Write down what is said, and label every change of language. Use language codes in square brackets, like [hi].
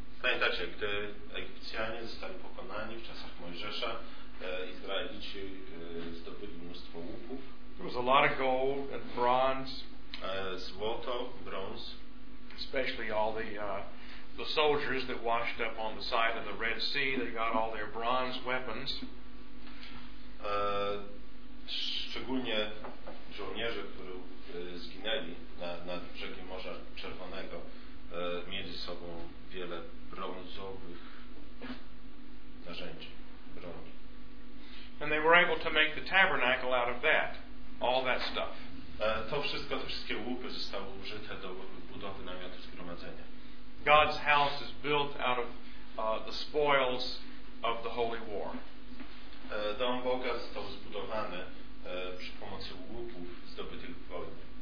[pl] Pamiętacie, gdy Egipcjanie zostali pokonani w czasach Mojżesza, Izraelici zdobyli mnóstwo łupów. [en] There was a lot of gold and bronze. [pl] Złoto, brąz. [en] Especially all the soldiers that washed up on the side of the Red Sea, they got all their bronze weapons. [pl] Szczególnie żołnierze, którzy zginęli nad brzegiem Morza Czerwonego, mieli ze sobą wiele brązowych narzędzi, broni. [en] And they were able to make the tabernacle out of that, all that stuff. [pl] To wszystko, te wszystkie łupy zostały użyte do budowy namiotu zgromadzenia. [en] God's house is built out of the spoils of the holy war. [pl] Dom Boga został zbudowany przy pomocy łupów zdobytych w wojnie.